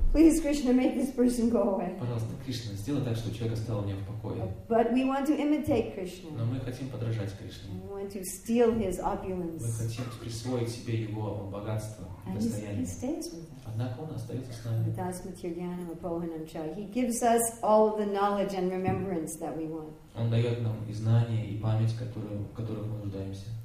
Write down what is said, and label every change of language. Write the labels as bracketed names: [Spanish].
[English] Please, Krishna, make this person go away. [Russian] Пожалуйста, Кришна, сделай так, чтобы человек оставил меня в покое. [English] But we want to imitate Krishna. [Russian] Но мы хотим подражать Кришне. [English] We want to steal his opulence. [Russian] Мы хотим присвоить себе его богатство, достояние. [English] And he stays with us. [Russian] Однако он остается с нами. [Sanskrit] Das Matiryanam Apohanam Cha. [English] He gives us all the knowledge and remembrance that we want. [Russian] Он дает нам и знания, и память, которых мы нуждаемся.